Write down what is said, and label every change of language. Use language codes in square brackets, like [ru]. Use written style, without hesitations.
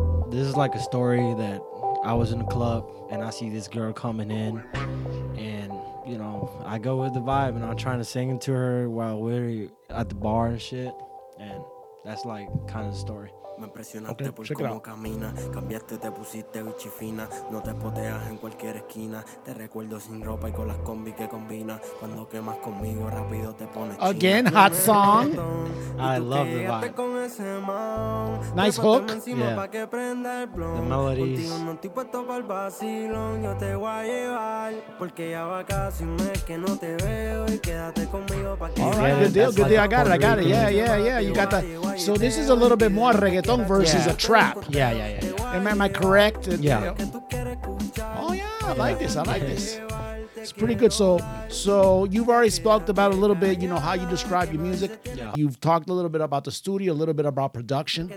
[en] This is like a story that I was in a club and I see this girl coming in. You know, I go with the vibe and I'm trying to sing it to her while we're at the bar and shit. And that's like kind of the story. [es] Me impresionaste por cómo camina. Cambiaste, te pusiste bichi fina. No te poteas en cualquier esquina. Te recuerdo sin ropa y con las combi que combina. Cuando quemas conmigo, rápido te pones. [en] Again, hot song. I love the vibe. Nice hook. Yeah. The melodies. [es] No estoy puesto para el vacilón. Yo te voy a llevar. Porque ya va casi un mes que no te veo. Y quédate conmigo para que. [en] All right, good deal. Good deal. I got it. Yeah. You got that. So this is a little bit more reggaeton versus a trap. Yeah. Am I correct? Yeah. Oh, yeah. I like this. It's pretty good. So you've already spoke about a little bit, you know, how you describe your music. Yeah. You've talked a little bit about the studio, a little bit about production.